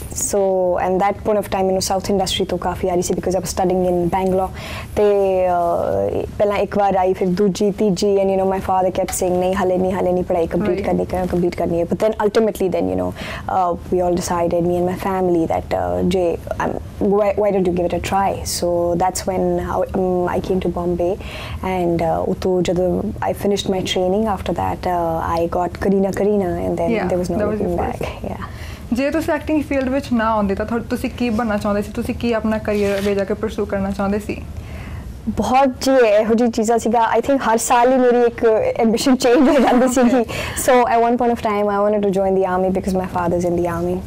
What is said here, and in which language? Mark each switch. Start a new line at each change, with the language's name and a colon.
English: so and that point of time
Punjabi: ਮੈਨੂੰ south industry ਤੋਂ ਕਾਫੀ ਆ ਰਹੀ ਸੀ,
English: Because I was studying in Bangalore.
Punjabi: ਅਤੇ ਪਹਿਲਾਂ ਇੱਕ ਵਾਰ ਆਈ, ਫਿਰ ਦੂਜੀ, ਤੀਜੀ,
English: and you know my father kept saying
Punjabi: ਨਹੀਂ, ਹਾਲੇ ਨਹੀਂ ਪੜ੍ਹਾਈ ਕੰਪਲੀਟ ਕਰਨੀ, ਕੰਪਲੀਟ ਕਰਨੀ ਹੈ।
English: But then ultimately then you know we all decided, me and my family, that ਜੇ why don't you give it a try? So that's when I came to Bombay, and
Punjabi: uto jada
English: I finished my training after that I got Kareena, and then yeah, there was no looking back.
Punjabi: ਜੇ ਤੁਸੀਂ acting field ਵਿੱਚ ਨਾ ਆਉਂਦੇ ਤਾਂ ਤੁਸੀਂ ਕੀ ਬਣਨਾ ਚਾਹੁੰਦੇ ਸੀ, ਤੁਸੀਂ ਕੀ ਆਪਣਾ ਕਰੀਅਰ ਅੱਗੇ ਜਾ ਕੇ ਪਰਸੂ ਕਰਨਾ ਚਾਹੁੰਦੇ ਸੀ? ਬਹੁਤ ਜੀ ਇਹੋ ਜਿਹੀ ਚੀਜ਼ਾਂ ਸੀਗਾ,
English: I think
Punjabi: ਹਰ ਸਾਲ ਹੀ ਮੇਰੀ ਇੱਕ ਐਂਬੀਸ਼ਨ ਚੇਂਜ ਹੋ ਜਾਂਦੀ ਸੀਗੀ।
English: So at one point of time I wanted to join the army because my father is in the army.